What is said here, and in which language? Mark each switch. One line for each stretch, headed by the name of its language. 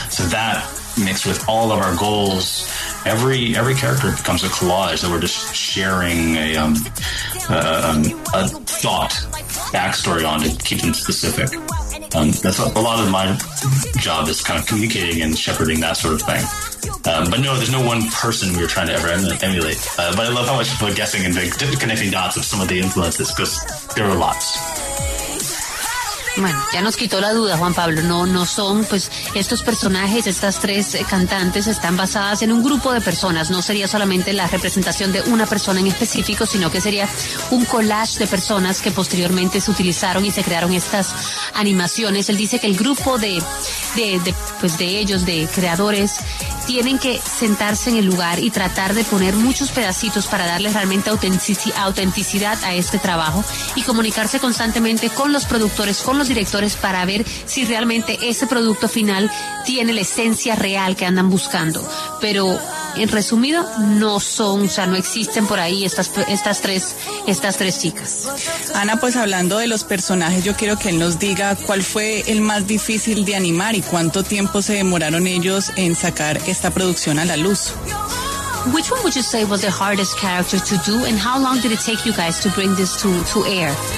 English: So that mixed with all of our goals, every character becomes a collage that we're just sharing a thought backstory on to keep them specific. That's a lot of my job is kind of communicating and shepherding that sort of thing. But no, there's no one person we're trying to ever emulate. But I love how much people are guessing and connecting dots of some of the influences because there are lots.
Spanish: Bueno, ya nos quitó la duda, Juan Pablo. No son, pues, estos personajes, estas tres cantantes están basadas en un grupo de personas. No sería solamente la representación de una persona en específico, sino que sería un collage de personas que posteriormente se utilizaron y se crearon estas animaciones. Él dice que el grupo de ellos, de creadores, tienen que sentarse en el lugar y tratar de poner muchos pedacitos para darle realmente autenticidad a este trabajo y comunicarse constantemente con los productores, con los directores para ver si realmente ese producto final tiene la esencia real que andan buscando. Pero en resumido, no existen por ahí estas tres chicas. Ana, pues hablando de los personajes, yo quiero que él nos diga cuál fue el más difícil de animar y cuánto tiempo se demoraron ellos en sacar esta producción a la luz.
English: Which one would you say was the hardest character to do, and how long did it take you guys to bring this to air?